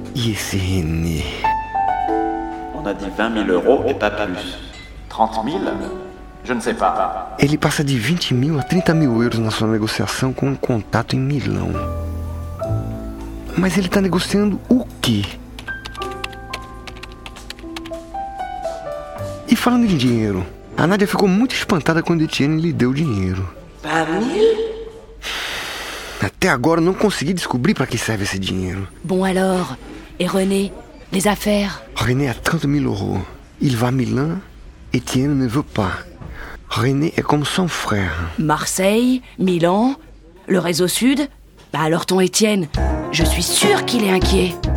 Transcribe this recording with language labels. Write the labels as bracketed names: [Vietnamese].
[French] Et c'est René. On a dit 20 000 euros et pas plus. 30 000? Je ne sais pas. Il passe de 20 000 à 30 000 euros dans sa négociation avec un contact en Milan. Mais il [Portuguese] está négociando o quê? E falando em dinheiro, a Nadia ficou muito espantada quando Etienne lhe deu o dinheiro. Para mim? Até agora não consegui descobrir para que serve esse dinheiro. Bom, [French] alors, e René, les affaires? René a 30 mil euros. Il va à Milan, Etienne ne veut pas. [Portuguese] René é como [French] son frère. Marseille, Milan, le réseau sud? Bah alors ton Etienne, je suis sûre qu'il est inquiet.